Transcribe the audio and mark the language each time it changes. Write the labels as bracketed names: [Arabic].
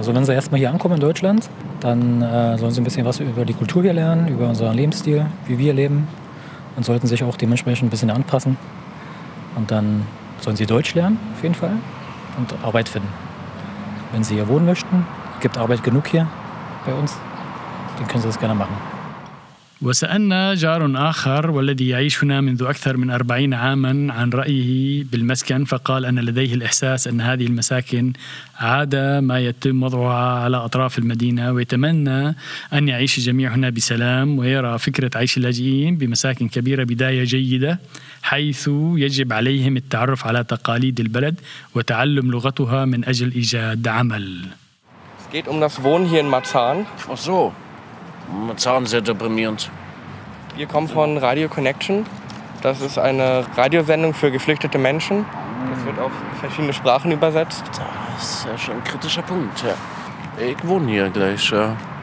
[German] Also wenn sie erstmal hier ankommen in Deutschland, dann sollen sie ein bisschen was über die Kultur hier lernen, über unseren Lebensstil, wie wir leben. Und sollten sich auch dementsprechend ein bisschen anpassen. Und dann sollen sie Deutsch lernen auf jeden Fall und Arbeit finden, wenn sie hier wohnen möchten. Es gibt Arbeit genug hier bei uns, dann können Sie das gerne machen. [Arabic] وسألنا جار آخر والذي يعيش هنا منذ أكثر من 40 عاما عن رأيه بالمسكن فقال أن لديه الإحساس أن هذه المساكن عادة ما يتم وضعها على أطراف المدينة ويتمنى أن يعيش الجميع هنا بسلام ويرى فكرة عيش اللاجئين بمساكن كبيرة بداية جيدة حيث يجب عليهم التعرف على تقاليد البلد وتعلم لغتها من أجل إيجاد عمل. [German] Es geht um das Wohnen hier in Marzahn. Ach so, Marzahn ist sehr deprimierend. Wir kommen von Radio Connection. Das ist eine Radiosendung für geflüchtete Menschen. Das wird auf verschiedene Sprachen übersetzt. Das ist ja schon ein kritischer Punkt. Ja. Ich wohne hier gleich. Ja.